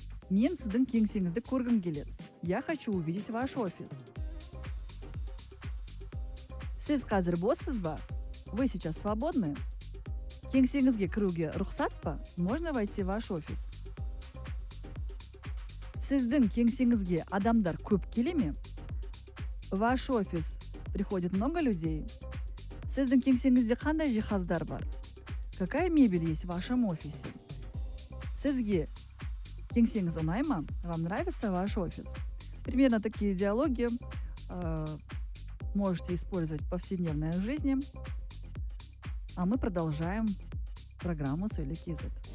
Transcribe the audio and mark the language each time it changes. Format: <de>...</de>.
<kk>Мен сиздин кингсиңизди көргім келет.</kk> <ru>Я хочу увидеть ваш офис.</ru> <kk>Сіз қазір боссыз ба?</kk> <ru>Вы сейчас свободны?</ru> <kk>Кеңсеңізге кіруге рұқсат па?</kk> <ru>Можно войти в ваш офис?</ru> <kk>Сіздің кеңсеңізге адамдар көп келе ме?</kk> <ru>Ваш офис приходит много людей?</ru> <kk>Сіздің кеңсеңізде қандай жиһаздар бар?</kk> <ru>Какая мебель есть в вашем офисе?</ru> <kk>Сізге кеңсеңіз ұнай ма?</kk> <ru>Вам нравится ваш офис? Примерно такие диалоги можете использовать в повседневной жизни. А мы продолжаем программу «Сөйле кизет».</ru>